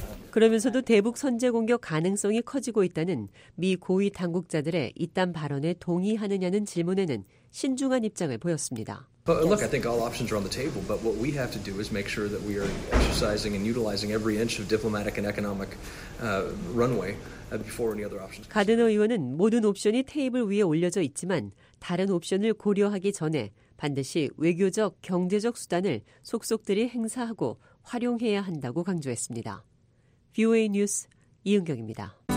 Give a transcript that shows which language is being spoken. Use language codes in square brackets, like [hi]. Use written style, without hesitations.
[ko] 그러면서도 대북 선제 공격 가능성이 커지고 있다는 미 고위 당국자들의 이딴 발언에 동의하느냐는 질문에는 신중한 입장을 보였습니다. [en] But look, I think all options are on the table, but what we have to do is make sure that we are exercising and utilizing every inch of diplomatic and economic runway before any other options. [ko] 가드너 의원은 모든 옵션이 테이블 위에 올려져 있지만 다른 옵션을 고려하기 전에 반드시 외교적, 경제적 수단을 속속들이 행사하고 활용해야 한다고 강조했습니다. VOA 뉴스 이은경입니다.